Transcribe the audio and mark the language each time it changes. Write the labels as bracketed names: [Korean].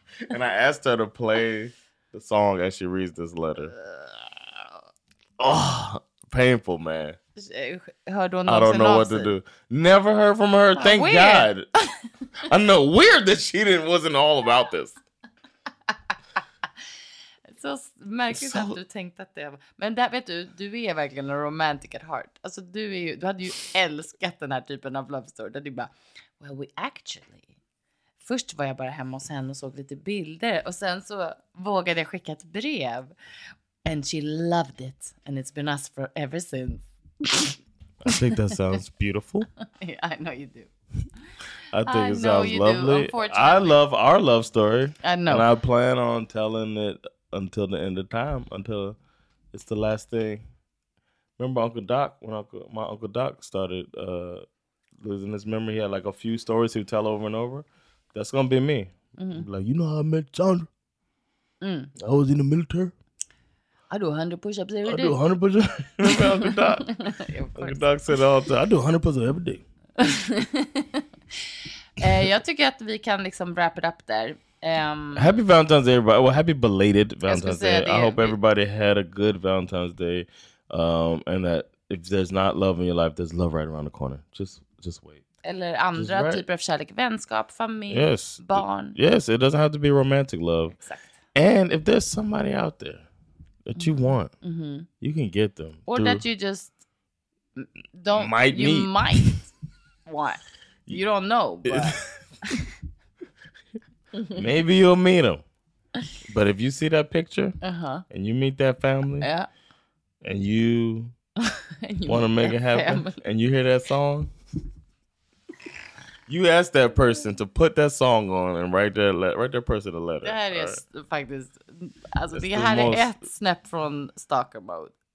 [English] And I asked her to play the song as she reads this letter. Oh, painful, man. I don't know what to do. Never heard from her. Thank God. I know. Weird that she wasn't all about this. It's so [Swedish] märkligt att du tänkte att det var. Men där vet du, du är verkligen en [English] romantic at heart. [Swedish] Alltså du hade ju älskat den här typen av [English] love story. [Swedish] Där du bara, [English] well, we actually [Swedish] först var jag bara hemma hos henne och såg lite bilder. Och sen så vågade jag skicka ett brev. [English] And she loved it. And it's been us for ever since. I think that sounds beautiful. Yeah, I know you do. I think I it sounds lovely. I love our love story. I know. And I plan on telling it until the end of time. Until it's the last thing. Remember Uncle Doc? When my Uncle Doc started losing his memory, he had like a few stories he'd tell over and over. That's going to be me. Mm-hmm. Like, you know how I met Sandra? Mm. I was in the military. I do 100 push-ups every day. I do 100 push-ups. Remember Uncle Doc? Yeah, Uncle Doc said all the time, I do 100 push-ups every day. [Swedish] Jag tycker att vi kan liksom [English] wrap it up [Swedish] där. [English] Happy Valentine's Day, everybody. Well, happy belated Valentine's Day. I hope everybody had a good Valentine's Day. And that if there's not love in your life, there's love right around the corner. Just wait. [Swedish] Eller andra right. typer av kärlek, vänskap, familj, [English] yes. [Swedish] barn. [English] Yes, it doesn't have to be romantic love. Exactly. And if there's somebody out there that you want, mm-hmm. you can get them. Or that you just don't might you meet. Might want. You don't know, but maybe you'll meet them. But if you see that picture uh-huh. and you meet that family, yeah. and you, you want to make it happen, family. And you hear that song, you ask that person to put that song on and write that person a letter. [Swedish] Det här är faktiskt, alltså det här är ett snäpp från stalker mode.